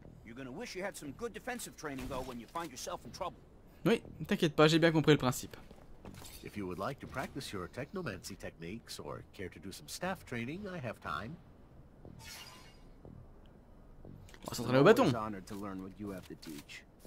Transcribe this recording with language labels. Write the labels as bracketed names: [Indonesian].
[English] You're gonna wish you had some good defensive training though when you find yourself in trouble. [French] Oui, t'inquiète pas, j'ai bien compris le principe. [English] If you would like to practice your technomancy techniques or care to do some staff training, I have time. [French] On va s'entraîner au bâton. [English] Honored to learn what you have to teach.